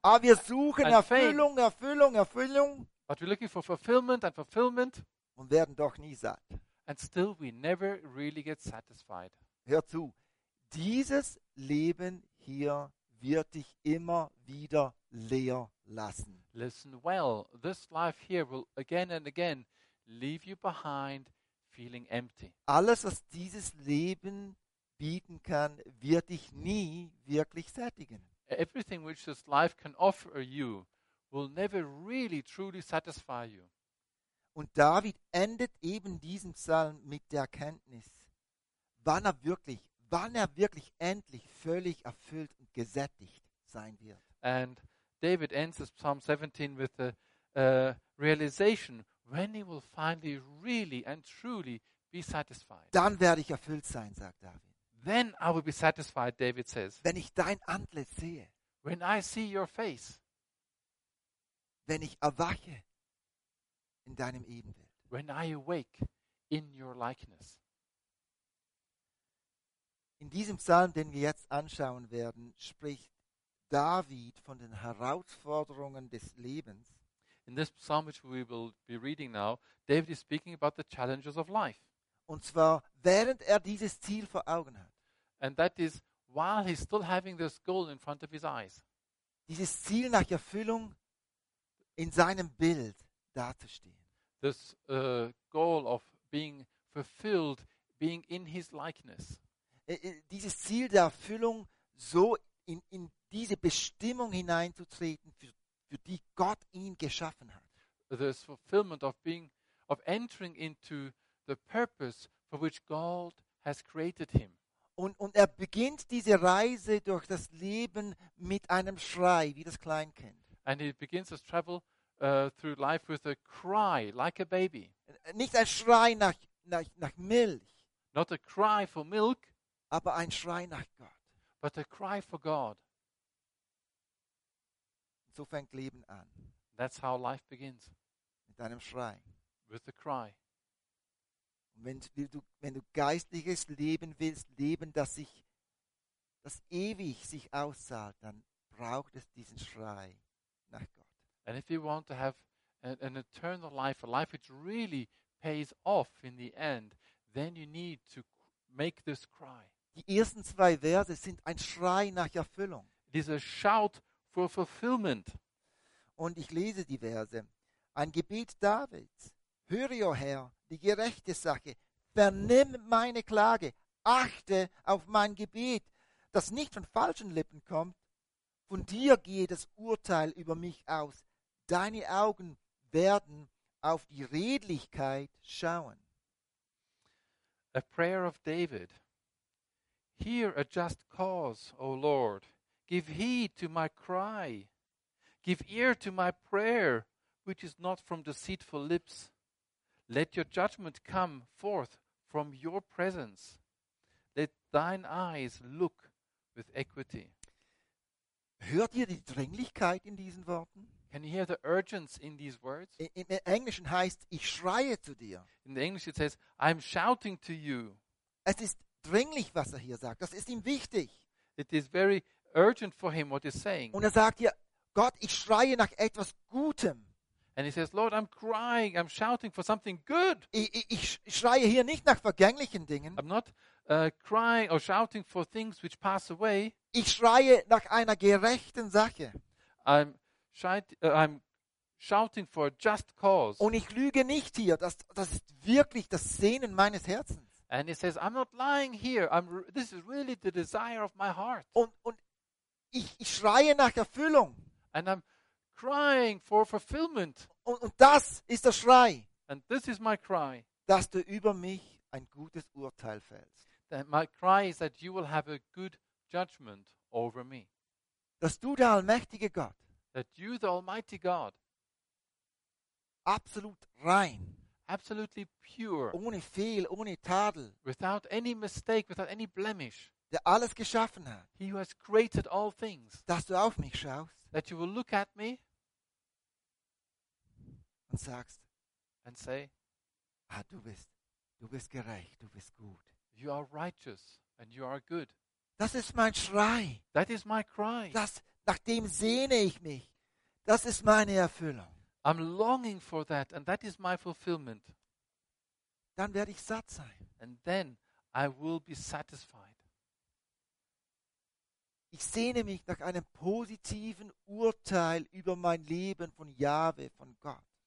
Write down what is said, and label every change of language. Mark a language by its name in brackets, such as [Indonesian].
[German] Aber wir suchen Erfüllung, Erfüllung, Erfüllung. [English] But we're looking for fulfillment and fulfillment. [German] Und werden doch nie satt. [English] And still we never really get satisfied. [German] Hör zu, dieses Leben hier wird dich immer wieder leer lassen. [English] Listen well, this life here will again and again leave you behind feeling empty. [German] Alles, was dieses Leben bieten kann, wird dich nie wirklich sättigen. [English] Everything which this life can offer you will never really truly satisfy you. [German] Und David endet eben diesen Psalm mit der Erkenntnis, wann er wirklich endlich völlig erfüllt und gesättigt sein wird. [English] And David ends this Psalm 17 with the realization when he will finally really and truly be satisfied. [German] Dann werde ich erfüllt sein, sagt David. [English] Then I will be satisfied, David says. [German] Wenn ich dein Antlitz sehe. [English] When I see your face. [German] Wenn ich erwache in deinem Ebenbild. [English] When I awake in your likeness. [German] In diesem Psalm, den wir jetzt anschauen werden, spricht David von den Herausforderungen des Lebens. [English] In this psalm which we will be reading now, David is speaking about the challenges of life. [German] Und zwar während er dieses Ziel vor Augen hat. [English] And that is while he's still having this goal in front of his eyes. [German] Dieses Ziel nach Erfüllung in seinem Bild dazustehen. [English] This goal of being fulfilled, being in his likeness. [German] Dieses Ziel der Erfüllung so in diese Bestimmung hineinzutreten, für die Gott ihn geschaffen hat. [English] This fulfillment of being, of entering into the purpose for which God has created him. [German] Und er beginnt diese Reise durch das Leben mit einem Schrei, wie das Kleinkind. [English] And he begins his travel through life with a cry, like a baby. [German] Nicht ein Schrei nach Milch. [English] Not a cry for milk. [German] Aber ein Schrei nach Gott. [English] But a cry for God. [German] So fängt Leben an. [English] That's how life begins. [German] Mit einem Schrei. [English] With a cry. [German] Und wenn du geistliches Leben willst, Leben, das ewig sich auszahlt, dann braucht es diesen Schrei nach Gott. [English] And if you want to have an eternal life, a life which really pays off in the end, then you need to make this cry. [German] Die ersten zwei Verse sind ein Schrei nach Erfüllung. [English] It is a shout for fulfillment. [German] Und ich lese die Verse. Ein Gebet Davids. Höre, o Herr, die gerechte Sache. Vernimm meine Klage. Achte auf mein Gebet, das nicht von falschen Lippen kommt. Von dir gehe das Urteil über mich aus. Deine Augen werden auf die Redlichkeit schauen. [English] A prayer of David. Hear a just cause, O Lord. Give heed to my cry. Give ear to my prayer, which is not from deceitful lips. Let your judgment come forth from your presence. Let thine eyes look with equity. [German] Hört ihr die Dringlichkeit in diesen Worten? [English] Can you hear the urgency in these words? [German] In Englischen heißt, ich schreie zu dir. [English] In the English it says, I'm shouting to you. [German] Es ist dringlich, was er hier sagt. Das ist ihm wichtig. [English] It is very urgent for him what he's saying. [German] Und er sagt hier, Gott, ich schreie nach etwas Gutem. [English] And he says, Lord, I'm crying, I'm shouting for something good. [German] Ich schreie hier nicht nach vergänglichen Dingen. [English] I'm not crying or shouting for things which pass away. [German] Ich schreie nach einer gerechten Sache. [English] I'm shouting for a just cause. [German] Und ich lüge nicht hier. Das ist wirklich das Sehnen meines Herzens. [English] And he says, I'm not lying here. This is really the desire of my heart. [German] Und ich schreie nach Erfüllung. [English] And I'm crying for fulfillment. [German] Und das ist der Schrei. [English] And this is my cry. [German] Dass du über mich ein gutes Urteil fällst. [English] That my cry is that you will have a good judgment over me. [German] Dass du, der allmächtige Gott, [English] that you, the almighty God, [German] absolut rein, [English] absolutely pure, [German] ohne Fehl, ohne Tadel, [English] without any mistake, without any blemish, [German] der alles geschaffen hat, [English] he who has created all things, [German] dass du auf mich schaust, [English] that you will look at me, [German] und sagst, [English] and say, [German] ah, du bist gerecht, du bist gut, [English] you are righteous and you are good. [German] Das ist mein Schrei. [English] That is my cry. [German] Nach dem sehne ich mich. Das ist meine Erfüllung. [English] I'm longing for that, and that is my fulfillment. [German] Dann werde ich satt sein. [English] And then I will be satisfied. [German] Ich sehne mich nach einem positiven Urteil über mein Leben von Jahwe, von Gott.